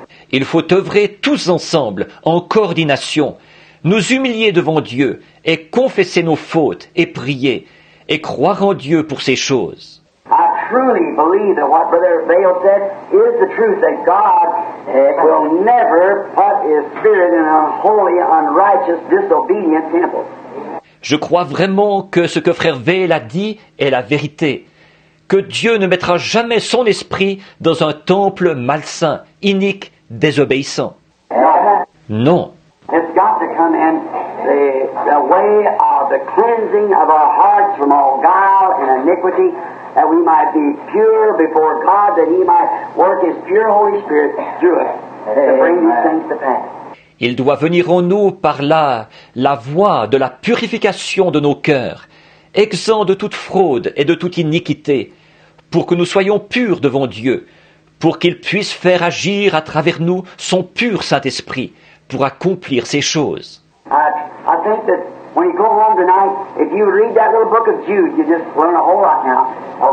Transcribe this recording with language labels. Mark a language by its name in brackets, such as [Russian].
[French] Il faut œuvrer tous ensemble, en coordination, nous humilier devant Dieu et confesser nos fautes et prier et croire en Dieu pour ces choses. [English] Truly believe that what Brother Vail said is the truth, that God will never put His Spirit in a holy, unrighteous, disobedient temple. [French] Je crois vraiment que ce que Frère Vail a dit est la vérité, que Dieu ne mettra jamais son esprit dans un temple malsain, inique, désobéissant. Non. [English] It's got to come in the way of the cleansing of our hearts from all guile and iniquity. That we might be pure before God, that He might work His pure Holy Spirit through us to bring these things to pass. [French] Il doit venir en nous par la voie de la purification de nos cœurs, exempt de toute fraude et de toute iniquité, pour que nous soyons purs devant Dieu, pour qu'il puisse faire agir à travers nous son pur Saint-Esprit pour accomplir ces choses. [English] I think that when you go home tonight, if you read that little book of Jude, you just learn a whole lot now.